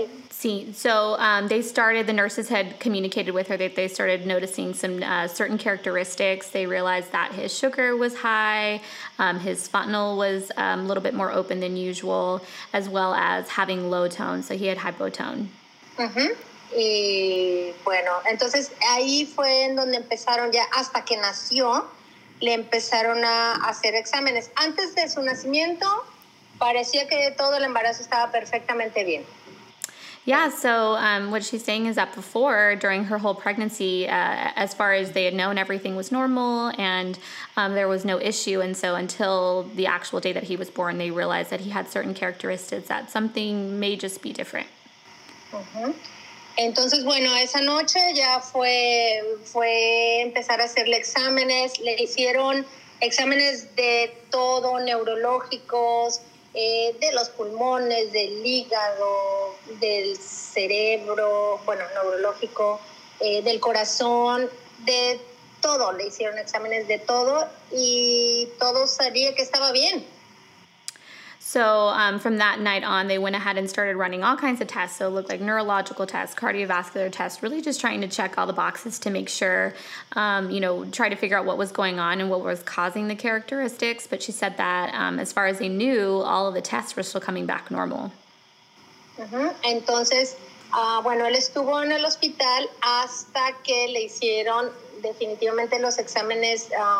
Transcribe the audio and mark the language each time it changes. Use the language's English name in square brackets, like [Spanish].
[English] Sí, so they started, the nurses had communicated with her that they started noticing some certain characteristics. They realized that his sugar was high, his fontanel was a little bit more open than usual, as well as having low tone, so he had hypotone. [Spanish] Y bueno, entonces ahí fue en donde empezaron ya hasta que nació le empezaron a hacer exámenes. Antes de su nacimiento, parecía que todo el embarazo estaba perfectamente bien. [English] Yeah, so what she's saying is that before, during her whole pregnancy, as far as they had known, everything was normal and there was no issue. And so until the actual day that he was born, they realized that he had certain characteristics that something may just be different. Uh-huh. [Spanish] Entonces, bueno, esa noche ya fue empezar a hacerle exámenes. Le hicieron exámenes de todo, neurológicos, de los pulmones, del hígado, del cerebro, bueno, neurológico, del corazón, de todo. Le hicieron exámenes de todo y todo salía que estaba bien. [English] So from that night on, they went ahead and started running all kinds of tests. So it looked like neurological tests, cardiovascular tests, really just trying to check all the boxes to make sure, you know, try to figure out what was going on and what was causing the characteristics. But she said that as far as they knew, all of the tests were still coming back normal. Uh-huh. [Spanish] Entonces, bueno, él estuvo en el hospital hasta que le hicieron definitivamente los exámenes.